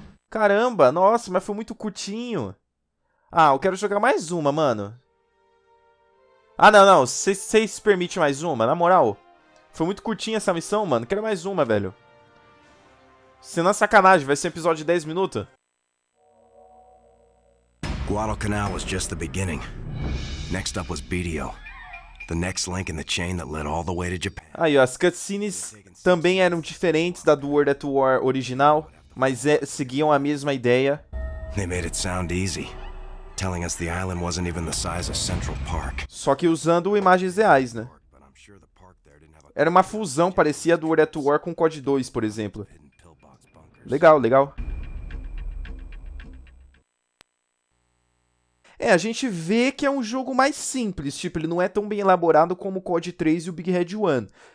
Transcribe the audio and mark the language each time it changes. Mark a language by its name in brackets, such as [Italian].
[Portuguese] Caramba, nossa, mas foi muito curtinho. Ah, eu quero jogar mais uma, mano. Ah, não, não. Vocês permitem mais uma, na moral. Foi muito curtinha essa missão, mano. Quero mais uma, velho. Senão é sacanagem, vai ser um episódio de 10 minutos. [English] Guadalcanal was just the beginning. Next up was BDO. The next link in the chain that led all the way to Japan. [Portuguese] Aí, ó, as cutscenes também eram diferentes da do World at War original, mas seguiam a mesma ideia. [English] They made it sound easy, telling us the island wasn't even the size of Central Park. [Portuguese] Só que usando imagens reais, né? Era uma fusão, parecia do World at War com COD 2, por exemplo. Legal, legal. É, a gente vê que é um jogo mais simples, tipo, ele não é tão bem elaborado como o COD 3 e o Big Red 1.